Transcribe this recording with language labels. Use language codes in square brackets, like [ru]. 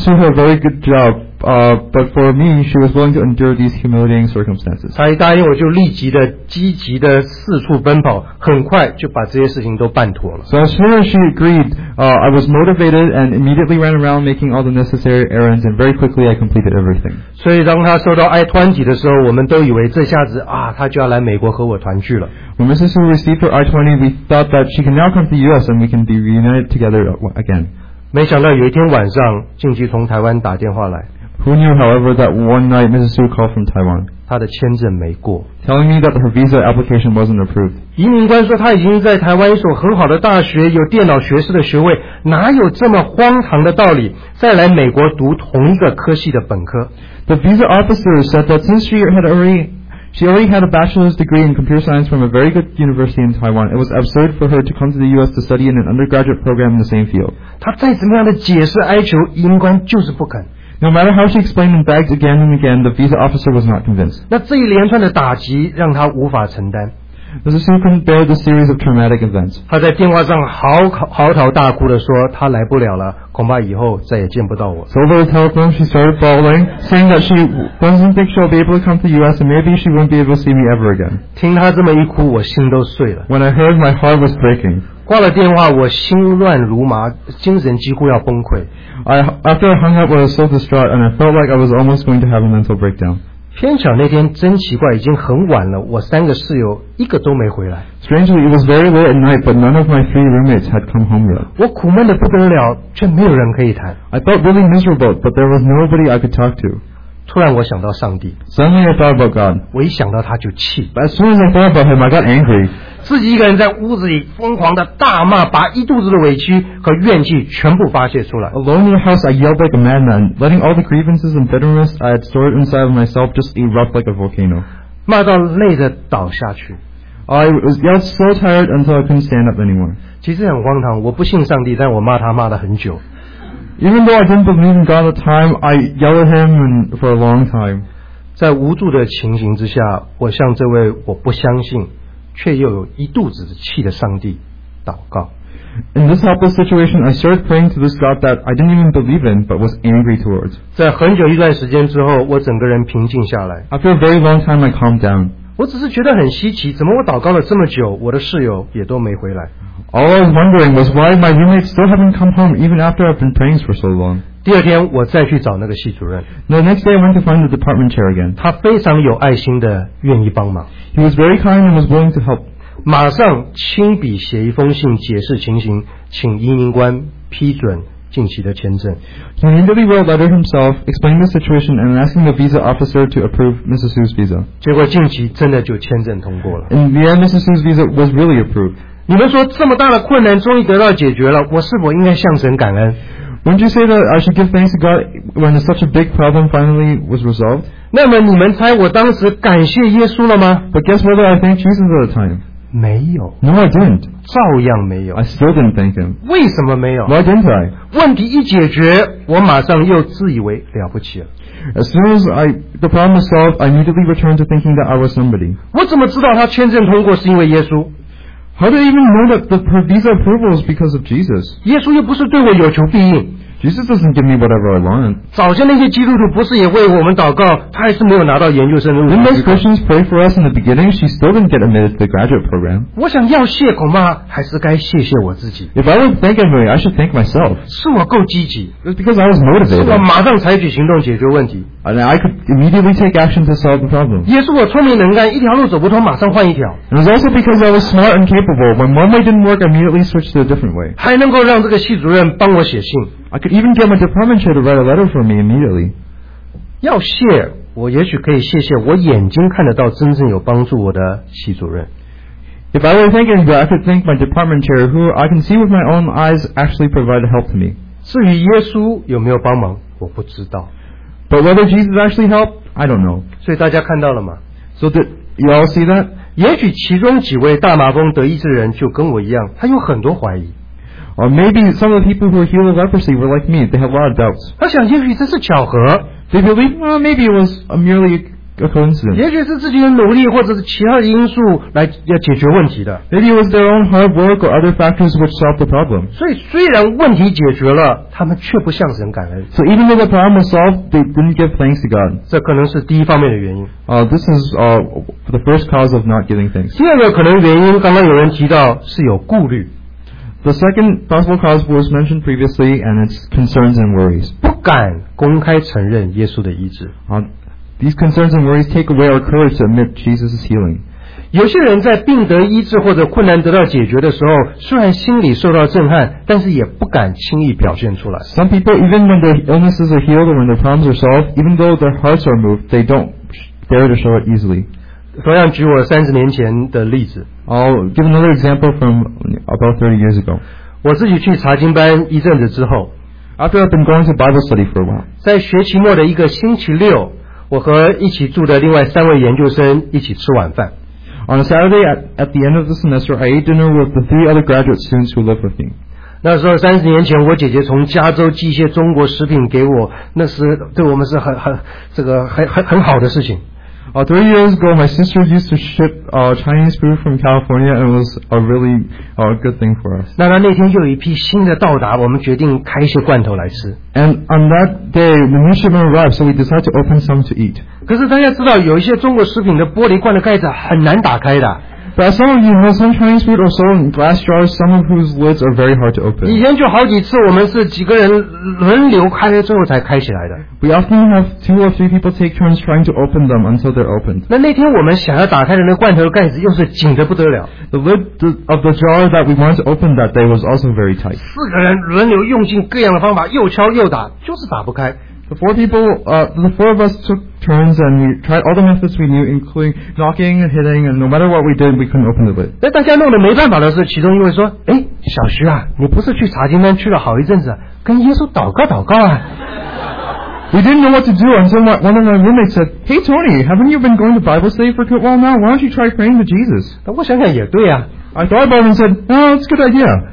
[en] Su had a very good job, but for me, she was willing to endure these humiliating circumstances. [zh] 她一答应我就立即的积极的四处奔跑，很快就把这些事情都办妥了。 [en] So as soon as she agreed, I was motivated and immediately ran around making all the necessary errands, and very quickly I completed everything. [zh] 所以当她收到 I-20 的时候，我们都以为这下子啊，她就要来美国和我团聚了。 [en] When Mrs. Su received her I-20, we thought that she can now come to the U.S. and we can be reunited together again. [zh] 没想到有一天晚上，静琪从台湾打电话来。 [en] Who knew, however, that one night Mrs. Su called from Taiwan. [zh] 她的签证没过。 [en] Telling me that her visa application wasn't approved. [zh] 移民官说她已经在台湾一所很好的大学，有电脑学士的学位，哪有这么荒唐的道理，再来美国读同一个科系的本科。 [en] The visa officer said that since she already had a bachelor's degree in computer science from a very good university in Taiwan. It was absurd for her to come to the U.S. to study in an undergraduate program in the same field. [zh] 她再怎么样的解释哀求，移民官就是不肯。 [en] No matter how she explained and begged again and again, the visa officer was not convinced. [zh] 那这一连串的打击让她无法承担。 [en] Mrs. Su couldn't bear the series of traumatic events. [zh] 她在电话上嚎啕大哭地说，她来不了了，恐怕以后再也见不到我。 [en] So over the telephone, she started bawling, saying that she doesn't think she'll be able to come to the U.S. and maybe she won't be able to see me ever again. [zh] 听她这么一哭，我心都碎了。 [en] When I heard, my heart was breaking. [zh] 挂了电话，我心乱如麻，精神几乎要崩溃。 [en] After I hung up, I was so distraught and I felt like I was almost going to have a mental breakdown. [zh] 偏巧那天真奇怪，已经很晚了，我三个室友一个都没回来。 [en] Strangely, it was very late at night, but none of my three roommates had come home yet. [zh] 我苦闷的不得了，却没有人可以谈。 [en] I felt really miserable, but there was nobody I could talk to. [zh] 突然我想到上帝。 [en] Suddenly I thought about God. [zh] 我一想到他就气。 [en] But as soon as I thought about him, I got angry. [zh] 自己一个人在屋子里疯狂的大骂，把一肚子的委屈和怨气全部发泄出来。 [en] Alone in the house, I yelled like a madman, letting all the grievances and bitterness I had stored inside of myself just erupt like a volcano. [zh] 骂到累得倒下去。 [en] I was yelled so tired until I couldn't stand up anymore. [zh] 其实很荒唐，我不信上帝，但我骂他骂了很久。 [en] Even though I didn't believe in God at the time, I yelled at him for a long time. [zh] 在无助的情形之下，我向这位我不相信却又有一肚子气的上帝祷告。 [en] In this helpless situation, I started praying to this God that I didn't even believe in, but was angry towards. [zh] 在很久一段时间之后，我整个人平静下来。 [en] After a very long time, I calmed down. [zh] 我只是觉得很稀奇，怎么我祷告了这么久，我的室友也都没回来。 [en] All I was wondering was why my roommates still haven't come home even after I've been praying for so long. [zh] 第二天我再去找那个系主任。 [en] The next day I went to find the department chair again. [zh] 他非常有爱心的愿意帮忙。 [en] He was very kind and was willing to help. [zh] 马上亲笔写一封信解释情形，请移民官批准近期的签证。 [en] He immediately wrote a letter himself, explained the situation, and asking the visa officer to approve Mrs. Su's visa. [zh] 结果近期真的就签证通过了。 [en] In the end, Mrs. Su's visa was really approved. [zh] 你们说这么大的困难终于得到解决了，我是否应该向神感恩？ [en] Wouldn't you say that I should give thanks to God when such a big problem finally was resolved? [zh] 那么你们猜我当时感谢耶稣了吗？ [en] But guess whether I thanked Jesus at the time? [zh] 没有。 [en] No, I didn't. [zh] 照样没有。 [en] I still didn't thank him. [zh] 为什么没有？ [en] Why didn't I? [zh] 问题一解决，我马上又自以为了不起了。 [en] As soon as the problem was solved, I immediately returned to thinking that I was somebody. [zh] 我怎么知道他签证通过是因为耶稣？ [en] How do I even know that the visa approval is because of Jesus? [zh] 耶稣又不是对我有求必应。 [en] Jesus doesn't give me whatever I want. [zh] 早先那些基督徒不是也为我们祷告，他还是没有拿到研究生的录取。 [en] Didn't those Christians pray for us in the beginning? She still didn't get admitted to the graduate program. [zh] 我想要谢，恐怕还是该谢谢我自己。 [en] If I would thank anybody, I should thank myself. [zh] 是我够积极。 [en] It's because I was motivated. [zh] 是我马上采取行动解决问题。 [en] And I could immediately take action to solve the problem. [zh] 也是我聪明能干，一条路走不通，马上换一条。 [en] It was also because I was smart and capable. When one way didn't work, I immediately switched to a different way. [zh] 还能够让这个系主任帮我写信。 [en] I could even get my department chair to write a letter for me immediately. [zh] 要谢，我也许可以谢谢我眼睛看得到真正有帮助我的系主任。 [en] If I were thinking that, I could thank my department chair, who I can see with my own eyes actually provided help to me. [zh] 至于耶稣有没有帮忙，我不知道。 [en] But whether Jesus actually helped, I don't know. [zh] 所以大家看到了吗？ [en] So did you all see that? [zh] 也许其中几位大麻风得医治人就跟我一样，他有很多怀疑。 [en] Or maybe some of the people who are healed of leprosy were like me. They have a lot of doubts. [zh] 他想，也许这是巧合。 [en] They believe, well, maybe it was merely a coincidence. [zh] 也许是自己的努力或者是其他的因素来要解决问题的。 [en] Maybe it was their own hard work or other factors which solved the problem. [zh] 所以虽然问题解决了，他们却不向神感恩。 [en] So even though the problem was solved, they didn't give thanks to God. [zh] 这可能是第一方面的原因。 [en] This is the first cause of not giving thanks. [zh] 第二个可能原因，刚刚有人提到是有顾虑。 [en] The second possible cause was mentioned previously, and it's concerns and worries. [zh] 不敢公开承认耶稣的医治。 [en] These concerns and worries take away our courage to admit Jesus' healing. [zh] 有些人在病得医治或者困难得到解决的时候，虽然心里受到震撼，但是也不敢轻易表现出来。 [en] Some people, even when their illnesses are healed or when their problems are solved, even though their hearts are moved, they don't dare to show it easily. [zh] 同样举我30年前的例子。 [en] I'll give another example from about 30 years ago. [zh] 我自己去查经班一阵子之后， [en] After I've been going to Bible study for a while, [zh] 在学期末的一个星期六，我和一起住的另外三位研究生一起吃晚饭。 [en] On a Saturday at the end of the semester, I ate dinner with the three other graduate students who live with me. [zh] 那时候30年前，我姐姐从加州寄一些中国食品给我，那是对我们是很好的事情。 [en] 3 years ago, my sister used to ship Chinese food from California, and it was a really good thing for us. [zh] 那天就有一批新的到达，我们决定开一些罐头来吃。 [en] And on that day, the new shipment arrived, so we decided to open some to eat. [zh] 可是大家知道，有一些中国食品的玻璃罐的盖子很难打开的。 [en] But as some of you know, some Chinese food are sold in glass jars, some of whose lids are very hard to open. [zh] 以前就好几次，我们是几个人轮流开了之后才开起来的。 [en] We often have two or three people take turns trying to open them until they're opened. [zh] 那天我们想要打开的那罐头盖子又是紧得不得了。 [en] The lid of the jar that we wanted to open that day was also very tight. [zh] 四个人轮流用尽各样的方法，又敲又打，就是打不开。 [en] The four of us took turns and we tried all the methods we knew, including knocking and hitting, and no matter what we did, we couldn't open the lid. [zh] 大家弄得没办法的是，其中一位说：“哎，小徐啊，你不是去查经班去了好一阵子，跟耶稣祷告祷告啊。” [en] We didn't know what to do, and so one of my roommates said, "Hey Tony, haven't you been going to Bible study for a good while now? Why don't you try praying to Jesus?" [zh] 但我想想也对啊。 [en] I thought about it and said, "No, it's a good idea."